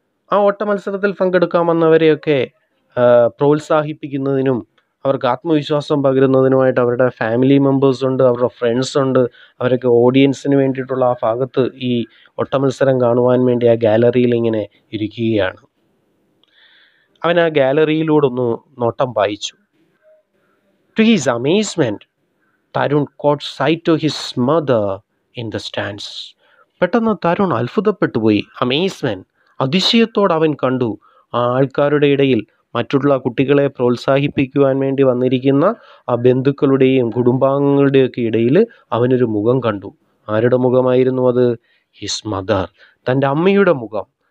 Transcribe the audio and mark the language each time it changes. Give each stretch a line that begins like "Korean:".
Malayalam: ആ ഓട്ടമത്സരത്തിൽ പങ്കെടുക്കാമെന്നവരെയൊക്കെ പ്രോത്സാഹിപ്പിക്കുന്നതിനും അവർക്ക് ആത്മവിശ്വാസം പകരുന്നതിനുമായിട്ട് അവരുടെ ഫാമിലി മെമ്പേഴ്സ് ഉണ്ട്, അവരുടെ ഫ്രണ്ട്സ് ഉണ്ട്. അവരൊക്കെ ഓഡിയൻസിന് വേണ്ടിയിട്ടുള്ള ആ ഭാഗത്ത് ഈ ഒട്ടമത്സരം കാണുവാൻ വേണ്ടി ആ ഗാലറിയിൽ ഇങ്ങനെ ഇരിക്കുകയാണ്. അവൻ ആ ഗാലറിയിലൂടെ ഒന്ന് നോട്ടം വായിച്ചു.
English: To his amazement Tarun caught sight of his mother in the stands.
Malayalam: പെട്ടെന്ന് തരുൺ അത്ഭുതപ്പെട്ടുപോയി. അമേസ്മെന്റ്, അതിശയത്തോട് അവൻ കണ്ടു ആ ആൾക്കാരുടെ ഇടയിൽ മറ്റുള്ള കുട്ടികളെ പ്രോത്സാഹിപ്പിക്കുവാൻ വേണ്ടി വന്നിരിക്കുന്ന ആ ബന്ധുക്കളുടെയും കുടുംബാംഗങ്ങളുടെയൊക്കെ ഇടയിൽ അവനൊരു മുഖം കണ്ടു. ആരുടെ മുഖമായിരുന്നു അത്?
English: his mother,
Malayalam: തൻ്റെ അമ്മയുടെ മുഖം.